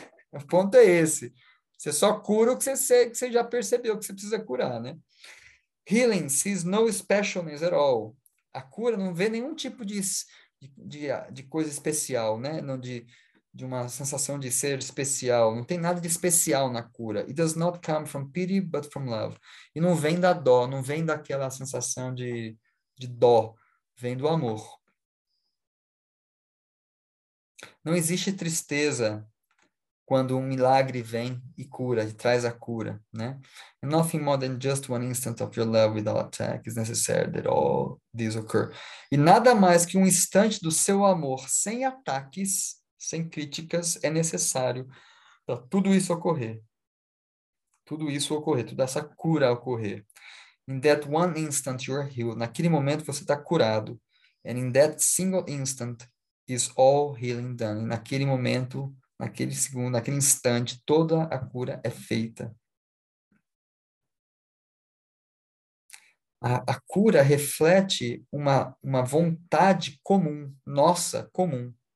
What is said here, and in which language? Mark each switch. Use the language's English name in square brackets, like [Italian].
[Portuguese] O ponto é esse. Você só cura o que você já percebeu que você precisa curar, né? [English] Healing sees no specialness at all. [Portuguese] A cura não vê nenhum tipo de coisa especial, né? Não de uma sensação de ser especial. Não tem nada de especial na cura. [English] It does not come from pity, but from love. [Portuguese] E não vem da dó, não vem daquela sensação de dó. Vem do amor. Não existe tristeza quando um milagre vem e cura, e traz a cura, né? [English] Nothing more than just one instant of your love without attack is necessary that all this occur. [Portuguese] E nada mais que um instante do seu amor sem ataques, sem críticas, é necessário para tudo isso ocorrer. Tudo isso ocorrer, toda essa cura ocorrer. [English] In that one instant you are healed. [Portuguese] Naquele momento você está curado. [English] And in that single instant is all healing done. [Portuguese] Naquele momento, naquele segundo, naquele instante, toda a cura é feita. A cura reflete uma vontade comum, nossa, comum.